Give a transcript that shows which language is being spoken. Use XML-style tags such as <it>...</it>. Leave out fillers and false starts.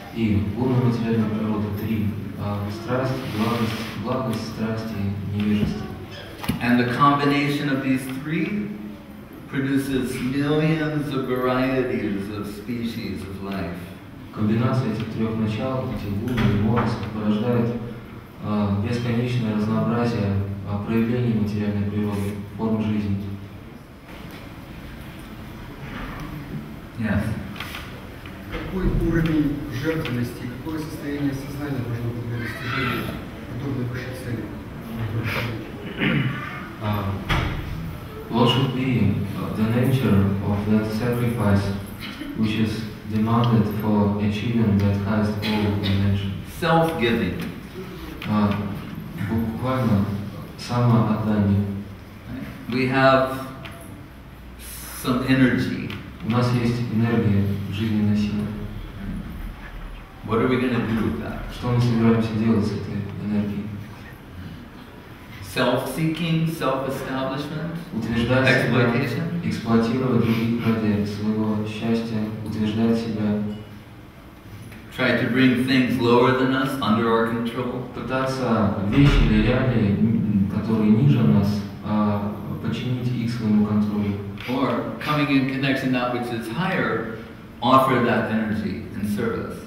<ru>И гуны материальной природы три. Страсть, благость, страсть и невежество.</ru> <en>And the combination of these three produces millions of varieties of species of life.</en> <ru>Комбинация этих трех начал, эти гуны и морозы, порождает бесконечное разнообразие проявлений материальной природы, форм жизни.</ru> <en>Yes.</en> <ru>Какой уровень жертвенности, какое состояние сознания должно быть для достижения подобной высшей цели?</ru> <en>What should be the nature of that sacrifice which is demanded for achieving that highest goal of dimension? Self-giving.</en> <ru>Буквально самоотдание.</ru> <en>We have some energy.</en> <ru>У нас есть энергия, жизненная сила.</ru> <en>What are we going to do with that?</en> <ru>Что мы собираемся делать с этой энергией?</ru> <en>Self-seeking, self-establishment, exploitation.</en> <ru>Эксплуатировать других ради своего счастья, утверждать себя.</ru> <en>Try to bring things lower than us under our control.</en> <ru>Пытаться вещи или реалии, которые ниже нас, подчинить их своему контролю.</ru> <en>Or coming in connection that which is higher, offer that energy in service.</en>